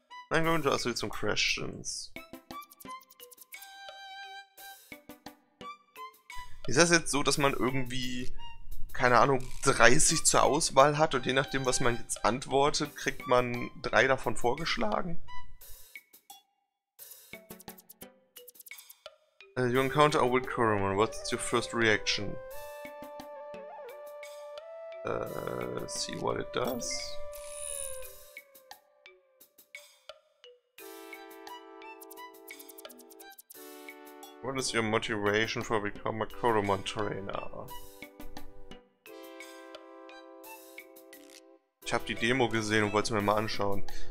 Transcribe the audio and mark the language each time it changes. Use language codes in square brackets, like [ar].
[en] I'm going to ask you some questions. [de] Ist das jetzt so, dass man irgendwie, keine Ahnung, 30 zur Auswahl hat und je nachdem, was man jetzt antwortet, kriegt man 3 davon vorgeschlagen? [en] You encounter a wild Kuruman, what's your first reaction? See what it does. What is your motivation for become a Kuruman trainer? [de] Ich hab die Demo gesehen und wollte es mir mal anschauen.